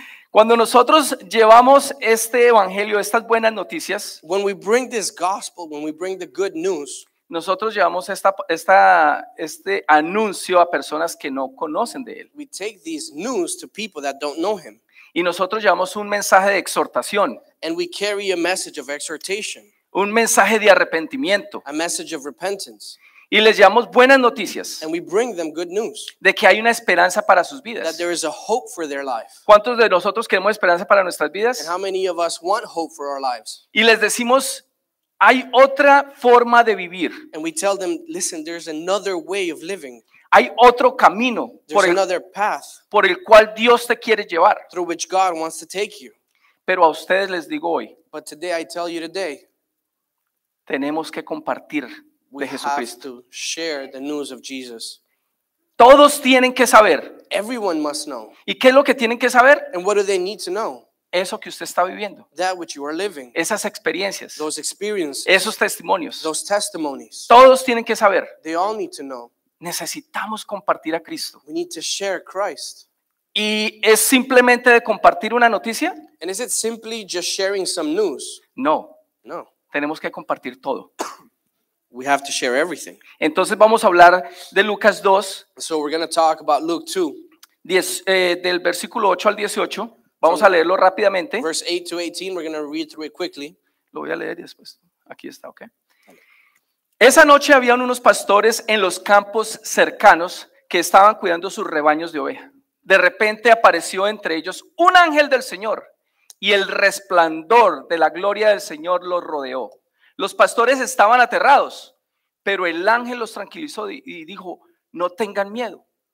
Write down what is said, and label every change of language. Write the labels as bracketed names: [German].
[Spanish] Cuando nosotros llevamos este evangelio, estas buenas noticias, [English] when we bring this gospel, when we bring the good news, [Spanish] nosotros llevamos este anuncio a personas que no conocen de él. [English] We take these news to people that don't know him. [Spanish] Y nosotros llevamos un mensaje de exhortación. [English] And we carry a message of exhortation. [Spanish] Un mensaje de arrepentimiento. [English] A message of repentance. [Spanish] Y les llevamos buenas noticias. [English] And we bring them good news. [Spanish] De que hay una esperanza para sus vidas. [English] That there is a hope for their life. [Spanish] ¿Cuántos de nosotros queremos esperanza para nuestras vidas? [English] And how many of us want hope for our lives? [Spanish] Y les decimos, hay otra forma de vivir. [English] And we tell them, listen, there's another way of living. [Spanish] Hay otro camino por el cual Dios te quiere llevar. [English] Through which God wants to take you. [Spanish] Pero a ustedes les digo hoy. [English] But today I tell you today. [Spanish] Tenemos que compartir de Jesucristo. [English] We have to share the news of Jesus. [Spanish] Todos tienen que saber. [English] Everyone must know. [Spanish] ¿Y qué es lo que tienen que saber? [English] And what do they need to know? [Spanish] Eso que usted está viviendo. [English] That which you are living. [Spanish] Esas experiencias. [English] Those experiences. [Spanish] Esos testimonios. [English] Those testimonies. [Spanish] Todos tienen que saber. [English] They all need to know. [Spanish] Necesitamos compartir a Cristo. [English] We need to share Christ. [Spanish] ¿Y es simplemente de compartir una noticia? [English] And is it simply just sharing some news? [Spanish] No. [English] No. [Spanish] Tenemos que compartir todo. [English] We have to share everything. [Spanish] Entonces vamos a hablar de Lucas 2. [English] So we're going to talk about Luke 2. [Spanish] Del versículo 8 al 18. Vamos a leerlo rápidamente. [English] Verse 8 to 18, we're going to read through it quickly. [Spanish] Lo voy a leer después. Aquí está, okay. Esa noche habían unos pastores en los campos cercanos que estaban cuidando sus rebaños de oveja. De repente apareció entre ellos un ángel del Señor y el resplandor de la gloria del Señor los rodeó. Los pastores estaban aterrados, pero el ángel los tranquilizó y dijo, no tengan miedo.